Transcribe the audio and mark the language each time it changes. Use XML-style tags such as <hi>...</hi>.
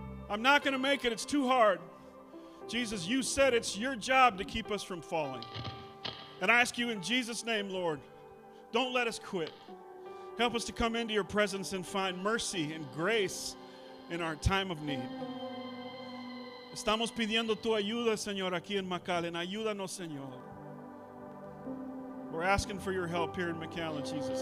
<en>I'm not going to make it. It's too hard. Jesus, you said it's your job to keep us from falling. And I ask you in Jesus' name, Lord, don't let us quit. Help us to come into your presence and find mercy and grace in our time of need.</en> <es>Estamos pidiendo tu ayuda, Señor, aquí en McAllen. Ayúdanos, Señor.</es> <en>We're asking for your help here in McAllen, Jesus.</en>